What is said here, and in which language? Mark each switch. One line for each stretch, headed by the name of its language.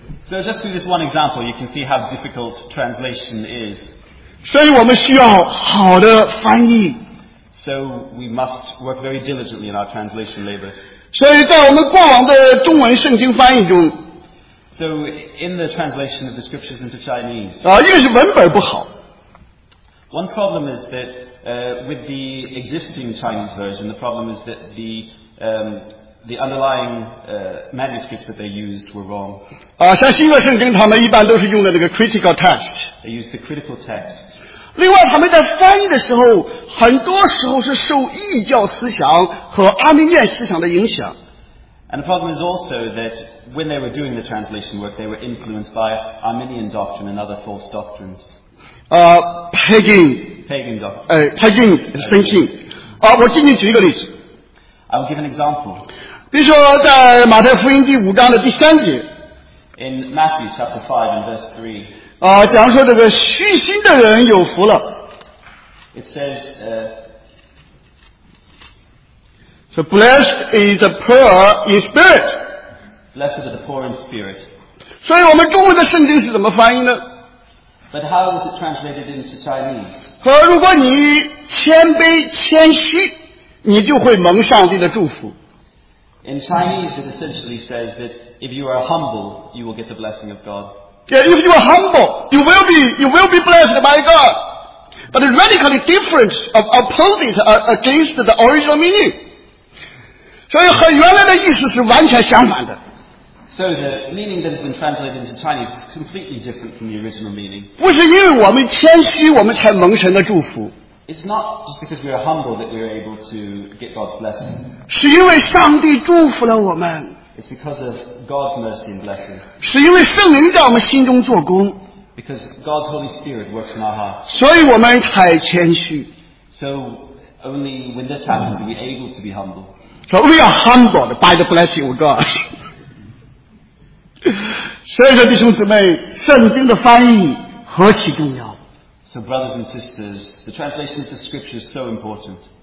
English: So just through this one example, you can see how difficult translation is.
Chinese: 所以我们需要好的翻译。
English: So we must work very diligently in our translation labors.
Chinese: 所以在我们过往的中文圣经翻译中
English: So in the translation of the scriptures into Chinese,
Chinese: 因为是文本不好
English: One problem is that with the existing Chinese version, the problem is that the underlying manuscripts that they used were wrong.
Chinese: 像新约圣经他们一般都是用的那个 critical text.
English: They used the critical text.
Chinese: 另外他们在翻译的时候很多时候是受异教思想和阿米念思想的影响。
English: And the problem is also that when they were doing the translation work, they were influenced by Arminian doctrine and other false doctrines. Pagan doctrine. Pagan thinking.
Chinese: 我给你举一个例子。
English: I will give an example.
Chinese: 比如说在马太福音第五章的第三节。
English: In Matthew chapter 5 and verse 3.
Chinese: 假如说这个虚心的人有福了。
English: It says, So blessed is the poor in spirit. Blessed are the poor in spirit.
Chinese: 所以我们中文的圣经是怎么翻译呢
English: ？But how is it translated into Chinese?
Chinese: 说如果你谦卑谦虚，你就会蒙上帝的祝福。
English: In Chinese, it essentially says that if you are humble, you will get the blessing of God. Yeah, if you are humble, you will be blessed by God. But it's radically different of opposing against the original meaning.
Chinese: 所以和原来的意思是完全相反的。
English: So the meaning that has been translated into Chinese is completely different from the original meaning.
Chinese: 不是因为我们谦虚我们才蒙神的祝福。
English: It's not just because we are humble that we are able to get God's blessing.
Chinese: 是因为上帝祝福了我们。
English: It's because of God's mercy and blessing.
Chinese: 是因为圣灵在我们心中做工。
English: Because God's Holy Spirit works in our hearts.
Chinese: 所以我们才谦虚。
English: So only when this happens are we able to be humble. So we are humbled by the blessing of God.
Chinese: 所以说弟兄姊妹，圣经的翻译何其重要。
English: So brothers and sisters, the translation of the scripture is so important.